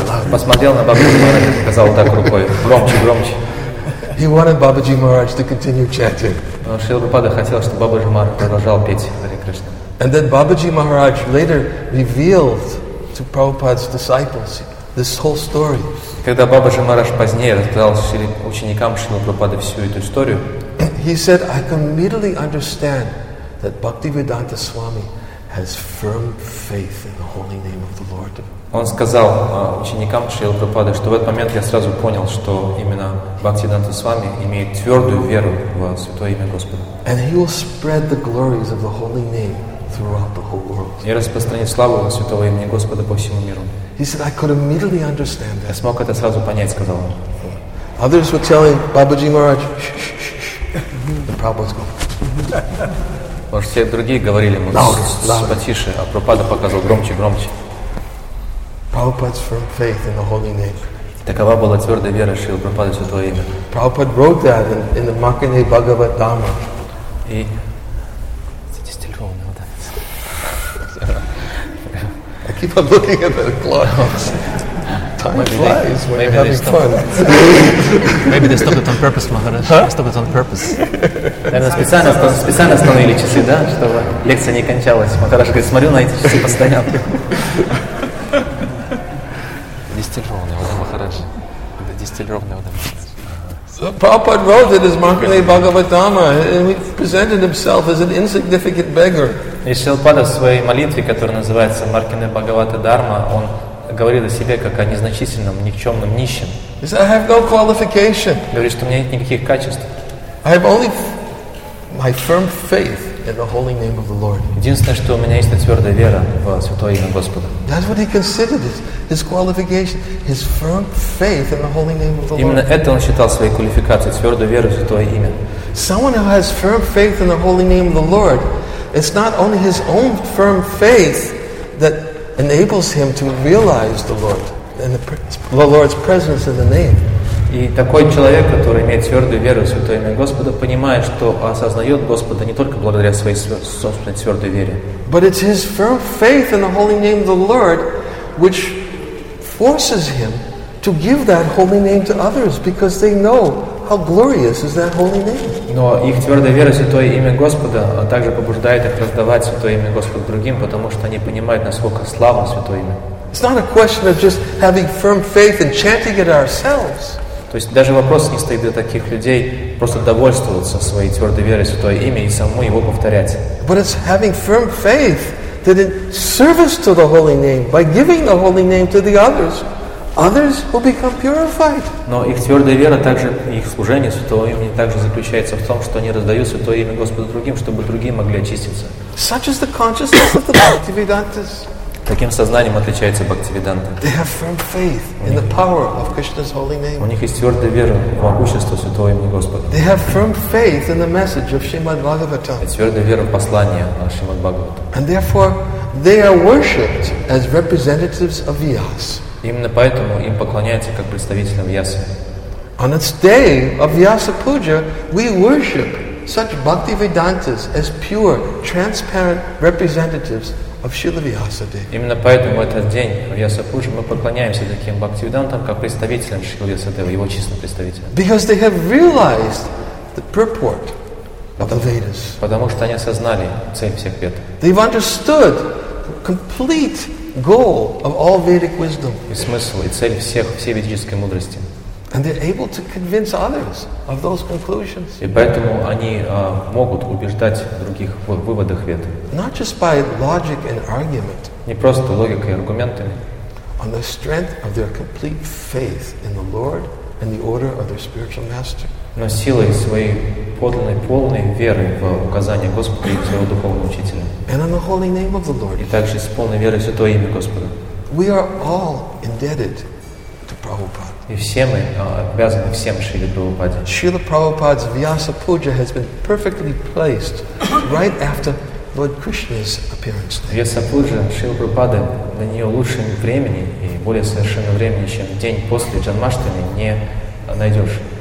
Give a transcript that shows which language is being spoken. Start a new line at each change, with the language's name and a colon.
Russian: посмотрел на Бабаджи Махарадж и сказал так рукой, громче, громче.
English: He wanted Бабаджи Махарадж to continue chanting.
Russian: Шрила Прабхупада хотел, чтобы Бабаджи Махарадж продолжал петь Харе Кришна.
English: And then Бабаджи Махарадж later revealed to Prabhupada's disciples this whole story.
Russian: Когда Бабаджи Махарадж позднее рассказал ученикам Шрилы Прабхупады всю эту историю,
English: he said, I can immediately understand that Bhaktivedanta Swami has firm faith in the holy name of the Lord.
Russian: Он сказал ученикам Шрилы Прабхупады, что в этот момент я сразу понял, что именно Бхактивиданта Свами имеет твердую веру в святое имя Господа.
English: And he will spread the glories of the holy name throughout the whole world.
Russian: И распространит славу святого имени Господа по всему миру.
English: He said, I could immediately understand that.
Russian: Я смог это сразу понять, сказал он.
English: Others were telling Бабаджи Махарадж, the Prabhupada's going.
Russian: Потому что все другие говорили, мы потише, а Прабхупада показывал громче, громче.
English: Prabhupada's firm faith in the holy name.
Russian: Такова была твердая вера Шрилы Прабхупады в Святое Имя.
English: Prabhupada wrote that in the Makine Bhagavad Dharma.
Russian: И кстати, стильфон, вот так.
English: I keep on looking at the clocks. Time flies when you're having fun. Maybe they stopped it on purpose, Maharaj. Huh? They stopped it on purpose.
Russian: Наверное, специально остановили часы, да, чтобы лекция не кончалась. Махараш говорит, смотрю на эти часы постоянно. Дистиллированная вода, Махараджи. Это дистиллированная вода.
English: Prabhupada wrote it as Makine Bhagavatama, and he presented himself as an insignificant beggar.
Russian: И Шилпада в своей молитве, которая называется Маркине Бхагавата Дарма, он говорил о себе как о незначительном, никчемном, нищем.
English: He said, I have no qualification.
Russian: Говорит, что у меня нет никаких качеств.
English: I have only my firm faith in the holy name of the Lord.
Russian: Единственное, что у меня есть, это твердая вера в Святое Имя Господа.
English: That's what he considered his qualification, his firm faith in the holy name of the Lord.
Russian: Именно это он считал своей квалификацией, твердую веру в Святое Имя.
English: Someone who has firm faith in the holy name of the Lord, it's not only his own firm faith that enables him to realize the Lord and the Lord's presence in the name.
Russian: И такой человек, который имеет твердую веру в Святое Имя Господа, понимает, что осознает Господа не только благодаря своей собственной твердой вере.
English: But it's his firm faith in the holy name of the Lord which forces him to give that holy name to others because they know how glorious is that holy name.
Russian: Но их твердая вера в Святое Имя Господа также побуждает их раздавать Святое Имя Господа другим, потому что они понимают, насколько славно Святое Имя.
English: It's not a question of just having firm faith and chanting it ourselves.
Russian: То есть даже вопрос не стоит для таких людей просто довольствоваться своей твердой верой в Святое Имя и самому его повторять.
English: But it's having firm faith that in service to the holy name, by giving the holy name to the others, others will become purified.
Russian: Но их твердая вера также, их служение Святого Имени также заключается в том, что они раздают Святое Имя Господу другим, чтобы другие могли очиститься.
English: Such is the consciousness of the Bhaktivedantas.
Russian: Таким сознанием отличается Бхактивиданта.
English: They have firm faith in the power of Krishna's holy name.
Russian: У них есть твердая вера в могущество Святого Имени Господа.
English: They have firm faith in the message of Shrimad Bhagavatam.
Russian: И твердая вера в послание Шримад Бхагаватам.
English: And therefore, they are worshipped as representatives of Vyas.
Russian: Именно поэтому им поклоняются как представителям Вьясы.
English: On its day of Vyasa Puja, we worship such Bhaktivedantas as pure, transparent representatives of Śrīla Vyāsadeva.
Russian: Именно поэтому в этот день в Вьяса Пуджа мы поклоняемся таким Бхактивидантам, как представителям Śrīla Vyāsadeva, его чистым представителям.
English: Because they have realized the purport of the Vedas.
Russian: Потому что они осознали цель всех Вед.
English: They've understood the complete goal of all Vedic wisdom.
Russian: И смысл, и цель всей ведической мудрости.
English: And they're able to convince others of those conclusions.
Russian: И поэтому они могут убеждать других в выводах Вед.
English: Not just by logic and argument.
Russian: Не просто логикой и аргументами.
English: On the strength of their complete faith in the Lord and the order of their spiritual master.
Russian: Но силой своей полной веры в указание Господа и своего духовного учителя.
English: And on the holy name of the Lord.
Russian: И также с полной верой в Святое Имя Господа.
English: We are all indebted to Prabhupada.
Russian: И все мы обязаны всем Шриле Прабхупаде.
English: Шрила Прабхупада's Vyasa Puja has been perfectly placed right after Lord Krishna's appearance.
Russian: Vyasa Puja, Шрила Прабхупада, на нее лучшим времени и более совершенно времени, чем день после Джанмаштами, не найдешь.